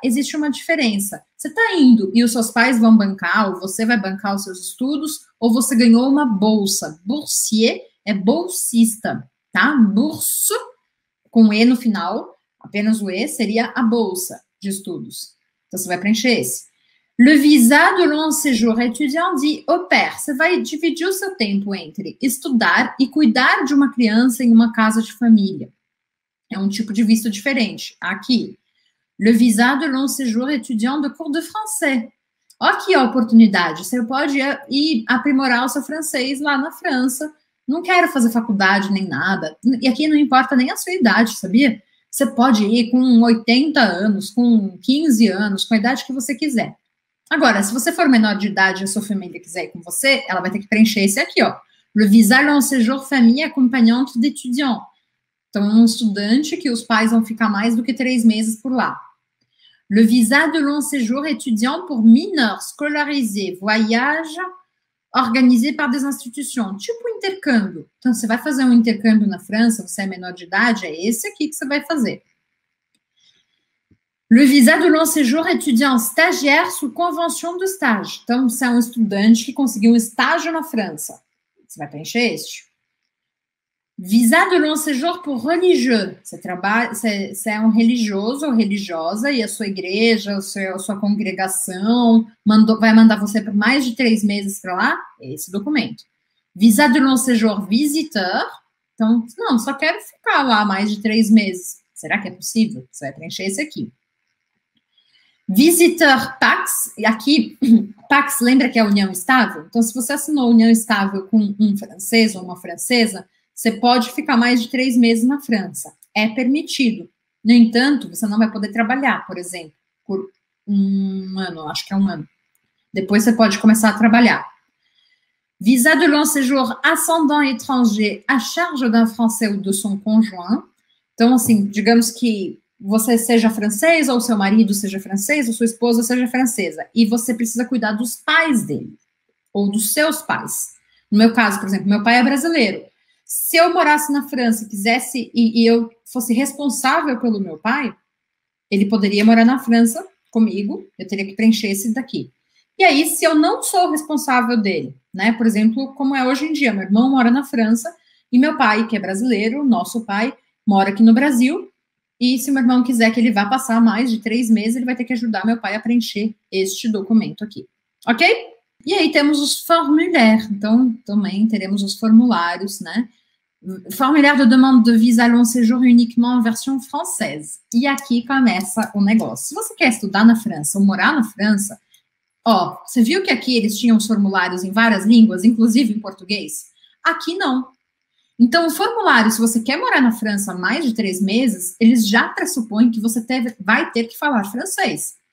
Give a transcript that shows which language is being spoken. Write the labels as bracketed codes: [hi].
[pt] Existe uma diferença. Você está indo e os seus pais vão bancar, ou você vai bancar os seus estudos, ou você ganhou uma bolsa. Boursier é bolsista, tá? Bourse, com E no final, apenas o E, seria a bolsa de estudos. Então, você vai preencher esse. [fr] Le visa de long séjour étudiant dit au pair. [pt] Você vai dividir o seu tempo entre estudar e cuidar de uma criança em uma casa de família. É um tipo de visto diferente. Aqui, [fr] le visa de long séjour étudiant de cours de français. [pt] Olha aqui a oportunidade. Você pode ir aprimorar o seu francês lá na França. Não quero fazer faculdade nem nada. E aqui não importa nem a sua idade, sabia? Você pode ir com 80 anos, com 15 anos, com a idade que você quiser. Agora, se você for menor de idade e a sua família quiser ir com você, ela vai ter que preencher esse aqui, ó. [fr] Le visa long séjour famille accompagnante d'étudiant. [pt] Então, é um estudante que os pais vão ficar mais do que 3 meses por lá. [fr] Le visa de long séjour étudiant pour mineurs scolarisés, voyage organisé par des institutions. [pt] Tipo intercâmbio. Então, você vai fazer um intercâmbio na França, você é menor de idade, é esse aqui que você vai fazer. [fr] Le visa de long séjour étudiant stagiaire sous convention de stage. [pt] Então, você é um estudante que conseguiu um estágio na França. Você vai preencher este. [fr] Visa de long séjour pour religieux. [pt] Você trabalha, você é um religioso ou religiosa e a sua igreja, a sua congregação vai mandar você por mais de 3 meses para lá? É esse documento. [fr] Visa de long séjour visiteur. [pt] Então, não, só quero ficar lá mais de 3 meses. Será que é possível? Você vai preencher esse aqui. Visitor Pax, e aqui, Pax, lembra que é a União Estável? Então, se você assinou a União Estável com um francês ou uma francesa, você pode ficar mais de 3 meses na França. É permitido. No entanto, você não vai poder trabalhar, por exemplo, por um ano, acho que é um ano. Depois você pode começar a trabalhar. [fr] Visa de long séjour ascendant étranger à charge d'un français ou de son conjoint. [pt] Então, assim, digamos que você seja francês, ou seu marido seja francês, ou sua esposa seja francesa. E você precisa cuidar dos pais dele, ou dos seus pais. No meu caso, por exemplo, meu pai é brasileiro. Se eu morasse na França e quisesse, e eu fosse responsável pelo meu pai, ele poderia morar na França comigo, eu teria que preencher esse daqui. E aí, se eu não sou responsável dele, né? Por exemplo, como é hoje em dia, meu irmão mora na França, e meu pai, que é brasileiro, nosso pai, mora aqui no Brasil. E se meu irmão quiser que ele vá passar mais de 3 meses, ele vai ter que ajudar meu pai a preencher este documento aqui. Ok? E aí temos os formulários. Então, também teremos os formulários, né? [fr] Formulário de demande de visa long séjour uniquement en version française. [pt] E aqui começa o negócio. Se você quer estudar na França ou morar na França, ó, você viu que aqui eles tinham os formulários em várias línguas, inclusive em português? Aqui não. Então, o formulário, se você quer morar na França mais de 3 meses, eles já pressupõem que você vai ter que falar francês.